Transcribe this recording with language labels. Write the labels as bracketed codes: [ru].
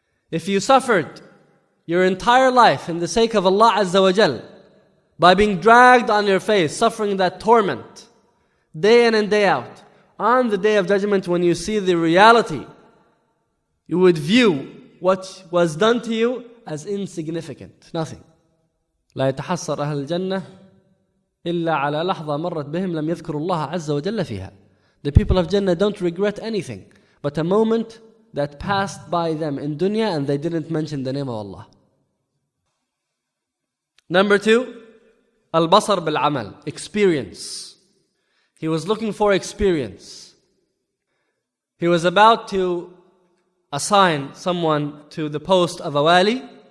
[en] If you suffered your entire life in the sake of Allah Azza wa Jal by being dragged on your face, suffering that torment day in and day out, on the Day of Judgment when you see the reality, you would view what was done to you as insignificant, nothing. [ar] لا يتحسر أهل الجنة إِلَّا عَلَى لَحْظَةَ مَرَّتْ بِهِمْ لَمْ يَذْكُرُ اللَّهَ عَزَّ وَجَلَّ فِيهَا. [en] The people of Jannah don't regret anything but a moment that passed by them in dunya and they didn't mention the name of Allah. Number two, al-basar bil-amal, experience. He was looking for experience. He was about to assign someone to the post of a wali.